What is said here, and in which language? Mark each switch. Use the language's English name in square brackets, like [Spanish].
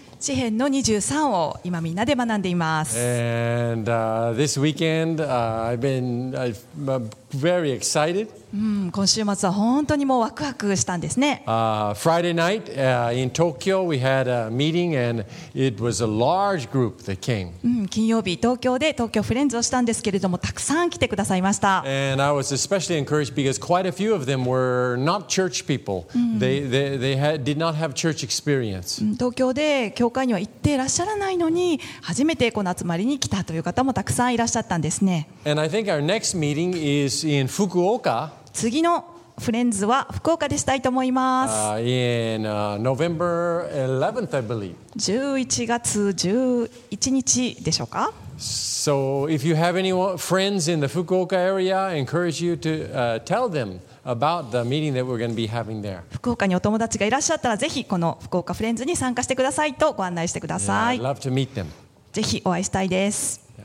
[Japanese] 詩編の23を今みんなで学んでいます。 [English] And this weekend, I've very excited. [Japanese] 今週末は本当にもうワクワクしたんですね。 [English] Friday night, in Tokyo, we had a meeting and it was a large group that came. [Japanese] 金曜日、東京で東京フレンズをしたんですけれども、たくさん来てくださいました。 [English] And I was especially encouraged because quite a few of them were not church people. They did not have church experience. [Japanese] 東京で教会には行っていらっしゃらないのに、初めてこの集まりに来たという方もたくさんいらっしゃったんですね。 [English] And I think our next meeting is in Fukuoka. [Japanese] 次のフレンズは福岡でしたいと思います。 [English] In November 11th, I believe. [Japanese] 11月11日でしょうか。 [English] So if you have any friends in the Fukuoka area, I encourage you to tell them about the meeting that we're going to be having there. [Japanese] 福岡にお友達がいらっしゃったら、ぜひこの福岡フレンズに参加してくださいとご案内してください。 [English] Yeah, I'd love to meet them. [Japanese] ぜひお会いしたいです。